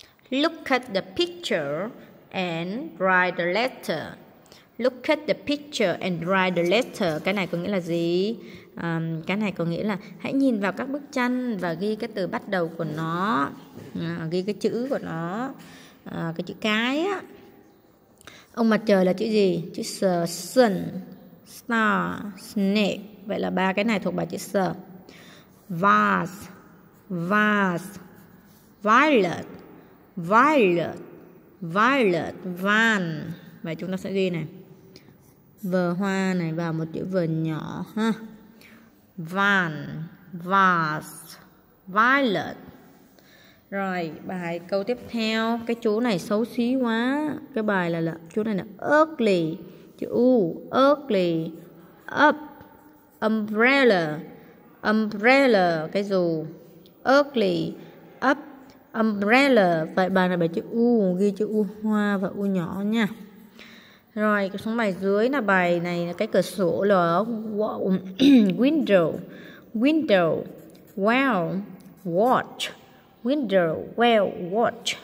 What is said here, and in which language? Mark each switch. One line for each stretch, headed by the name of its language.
English: Look at the picture and write the letter. Look at the picture and write the letter.
Vietnamese: Cái này có nghĩa là gì? Cái này có nghĩa là hãy nhìn vào các bức tranh và ghi cái từ bắt đầu của nó. Ghi cái chữ của nó. Cái chữ cái á. Ông mặt trời là chữ gì? Chữ sun, star, snake. Vậy là ba cái này thuộc bài chữ S. Vase, vase. Violet, violet, violet. Van. Vậy chúng ta sẽ ghi này. Vờ hoa này vào một chữ vờ nhỏ ha. Van, vase, violet. Rồi bài câu tiếp theo. Cái chú này xấu xí quá. Cái bài là chú này là ugly. Chữ U, ugly. Up. Umbrella, umbrella, cái dù. Ugly, up, umbrella. Vậy bài này bài chữ U, ghi chữ U hoa và U nhỏ nha. Rồi, cái số bài dưới là bài này là cái cửa sổ là window, window, well, watch, window, well, watch.